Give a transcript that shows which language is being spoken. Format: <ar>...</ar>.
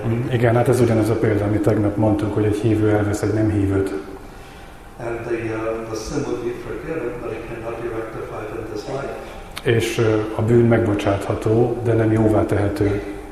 <hu>Igen, hát ez ugyanaz a példa, amit tegnap mondtunk, hogy egy hívő elvesz egy nem hívőt.</hu> <en>And the sin will be forgiven, but it cannot be rectified in this life.</en> <hu>És a bűn megbocsátható, de nem jóvá tehető.</hu>